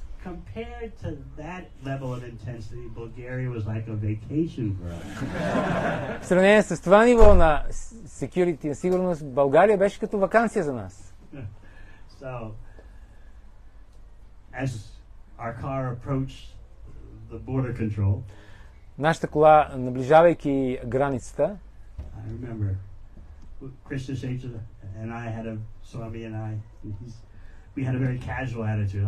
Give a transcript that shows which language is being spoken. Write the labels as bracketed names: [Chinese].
[English] Compared to that level of intensity, Bulgaria was like a vacation for us. [Bulgarian] В сравнение с това ниво на security и сигурност, България беше като ваканция за нас. [English] So, as our car approached the border control, [Bulgarian] нашата кола, наближавайки границата, [English] I remember Krishna Shaitra and I had a Swami and I, we had a very casual attitude.